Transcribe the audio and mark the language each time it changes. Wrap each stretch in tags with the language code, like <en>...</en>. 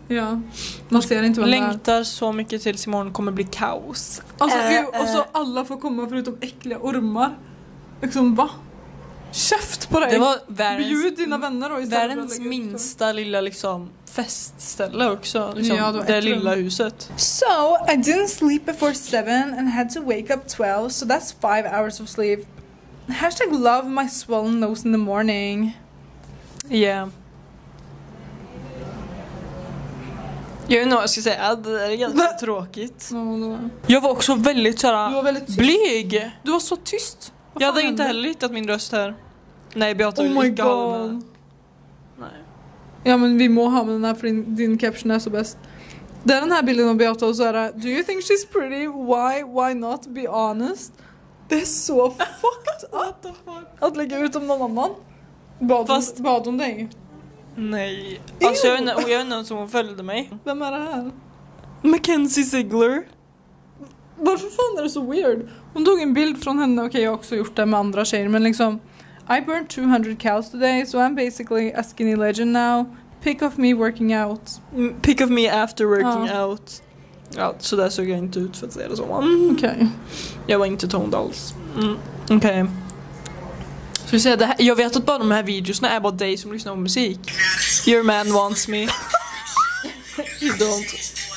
<sv>Ja, man ser inte vad det är. Längtar så mycket tills imorgon kommer bli kaos. Alltså, och så alla får komma förutom äckliga ormar. Liksom, va? Käft på dig. Det var världens, bjud dina vänner då. Världens minsta lilla liksom festställe också. Liksom, ja, det lilla huset.</sv> <en>So, I didn't sleep before 7 and had to wake up 12. So that's 5 hours of sleep. Hashtag love my swollen nose in the morning. Yeah.</en> <sv>Jag vet inte vad jag ska säga. Det är ganska tråkigt.</sv> <en>No.</en> <sv>Jag var också väldigt såhär, du var väldigt blyg. Du var så tyst. Vad jag hade hände? Inte heller hittat min röst här. Nej, Beata.</sv> <en>Oh my god.</en> <sv>Nej. Ja, men vi må ha med den här för din caption är så bäst. Det är den här bilden av Beata och så här.</sv> <en>Do you think she's pretty? Why not be honest?</en> <sv>Det är så</sv> <en>fucked up</en> <sv>att lägga ut om någon annan. Bad hon dig? Nej. Alltså, jag vet inte om hon följde mig. Vem är det här? Mackenzie Ziegler. Varför fan är det så weird? Hon tog en bild från henne. Okej, jag har också gjort det med andra tjejer. Men liksom,</sv> <en>I burned 200 calories today. So I'm basically a skinny legend now. Pick of me working out. Pick of me after working out.</en> <sv>Ja, så där såg jag inte ut för att säga det så. Okej. Jag var inte toned alls. Okej. Så vi säger det här, jag vet att bara de här videorna är bara dig som lyssnar på musik.</sv> <en>Your man wants me. You don't.</en>